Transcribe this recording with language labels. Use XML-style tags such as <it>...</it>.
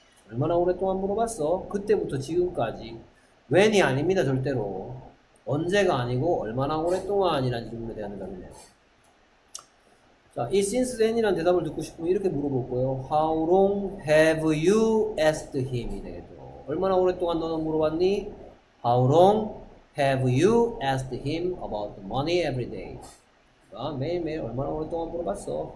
<ko>얼마나 오랫동안 물어봤어? 그때부터 지금까지. When이 아닙니다, 절대로. 언제가 아니고 얼마나 오랫동안이라는 질문에 대한 대답이네요. 자, 이 since then이라는 대답을 듣고 싶으면 이렇게 물어볼 거예요.</ko> <en>How long have you asked him?</en> <ko>이래도. 얼마나 오랫동안 너는 물어봤니?</ko> <en>How long? Have you asked him about the money every day?</en> <ko>아, 매일매일 얼마나 오랫동안 물어봤어?</ko>